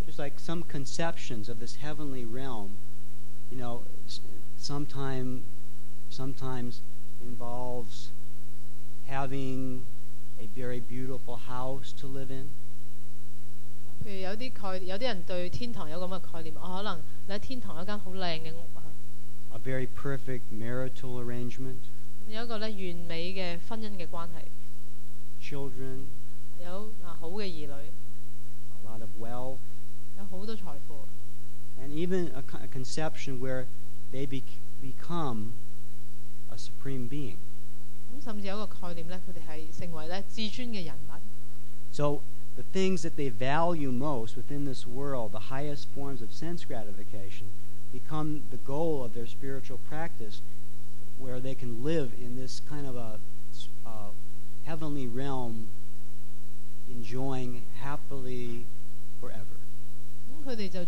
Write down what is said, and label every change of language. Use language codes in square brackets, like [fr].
[en] Just like some conceptions of this heavenly realm, you know, sometimes involves having a very beautiful house to live in. [yue] 譬如有啲概念，有啲人對天堂有咁嘅概念，可能你喺天堂有間好靚嘅屋啊。 [en] A very perfect marital arrangement. [yue] 有一個咧完美嘅婚姻嘅關係。 [en] Children. [yue] 有好嘅兒女。 [en] A lot of wealth. [yue] 有好多財富。 [en] And even a conception where they become a supreme being. [yue] 甚至有一個概念咧，佢哋係成為咧至尊嘅人物。 [en] So the things that they value most within this world, the highest forms of sense gratification, become the goal of their spiritual practice, where they can live in this kind of a heavenly realm, enjoying happily forever.